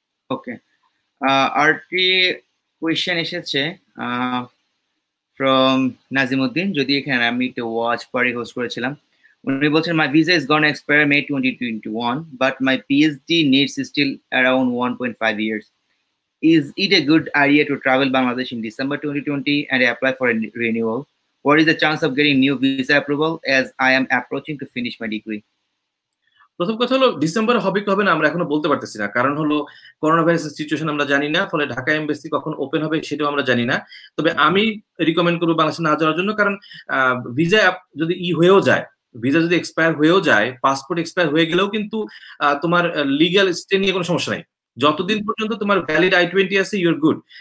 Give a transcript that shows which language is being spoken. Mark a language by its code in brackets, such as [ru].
[en] okay, আরটি question এসেছে from Nazimuddin, [bn] যদি এখানে আমি একটু ওয়াচ পার্টি হোস্ট করেছিলাম, উনি বলছেন, [en] My visa is gone expire May 2021, but my PhD needs still around 1.5 years, is it a good idea to travel Bangladesh in December 2020 and apply for renewal? What is the chance of getting new visa approval as I am approaching to finish my degree? [bn] প্রথম কথা হলো ডিসেম্বরে হবে কি হবে না আমরা এখনো বলতে পারতেছি না, কারণ হলো করোনা ভাইরাসের সিচুয়েশন আমরা জানি না, ফলে ঢাকা এমবেসি কখন ওপেন হবে সেটাও আমরা জানি না। তবে আমি রিকমেন্ড করবো বাংলাদেশে না যাওয়ার জন্য, কারণ ভিসা যদি ই হয়েও যায়, ভিসা যদি এক্সপায়ার হয়েও যায়, পাসপোর্ট এক্সপায়ার হয়ে গেলেও কিন্তু তোমার লিগ্যাল স্টে নিয়ে কোনো সমস্যা নাই, যতদিন পর্যন্ত তোমার ভ্যালিড I-20 আছে [en] You're good.